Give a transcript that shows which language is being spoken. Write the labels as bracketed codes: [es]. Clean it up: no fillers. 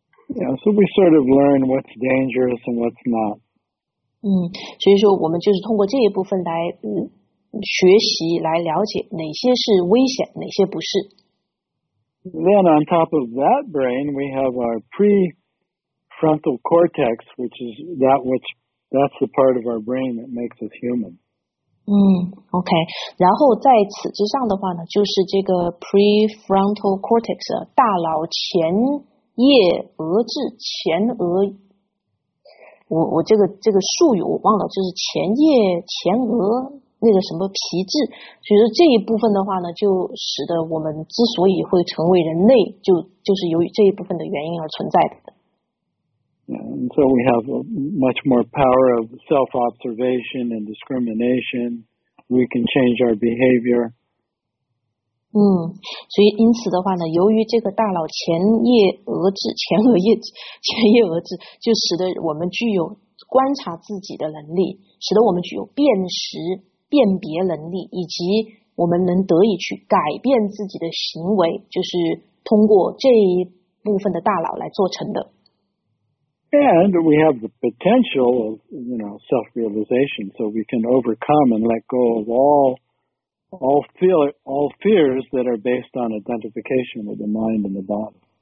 [en] Yeah, so we sort of learn what's dangerous and what's not. [zh] 所以说我们就是通过这一部分来学习，来了解哪些是危险，哪些不是。 [en] Then on top of that brain, we have our prefrontal cortex, which is that's the part of our brain that makes us human. [zh] OK, 然后在此之上的话呢，就是这个 prefrontal cortex, 大脑前叶额质，前额，我这个术语我忘了，就是前叶前额那个什么皮质，所以说这一部分的话呢，就使得我们之所以会成为人类，就是由于这一部分的原因而存在的。 [en] And so we have much more power of self-observation and discrimination. We can change our behavior. [zh] 所以因此的话呢，由于这个大脑前叶额质，前叶额质，就使得我们具有观察自己的能力，使得我们具有辨识、辨别能力，以及我们能得以去改变自己的行为，就是通过这一部分的大脑来做成的。 [en] And we have the potential of, you know, self-realization, so we can overcome and let go of all fears that are based on identification with the mind and the body.